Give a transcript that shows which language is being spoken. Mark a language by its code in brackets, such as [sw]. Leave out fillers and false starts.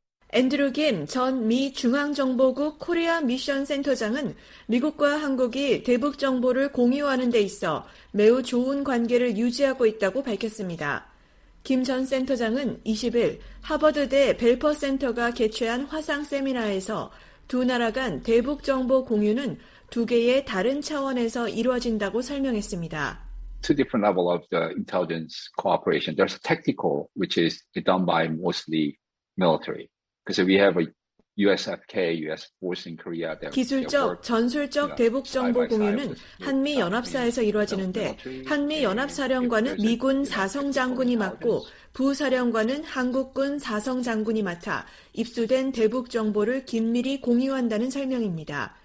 [ko] 앤드루 김 전 미 중앙정보국 코리아 미션 센터장은 미국과 한국이 대북 정보를 공유하는 데 있어 매우 좋은 관계를 유지하고 있다고 밝혔습니다. 김 전 센터장은 20일 하버드대 벨퍼 센터가 개최한 화상 세미나에서 두 나라 간 대북 정보 공유는 두 개의 다른 차원에서 이루어진다고 설명했습니다. [en] Two different level of the intelligence cooperation. There's a tactical which is done by mostly military. Because we have a USFK, US force in Korea. [ko] 기술적, 전술적 대북 정보 공유는 한미 연합사에서 이루어지는데 한미 연합사령관은 미군 사성 장군이 맡고 부사령관은 한국군 사성 장군이 맡아 입수된 대북 정보를 긴밀히 공유한다는 설명입니다.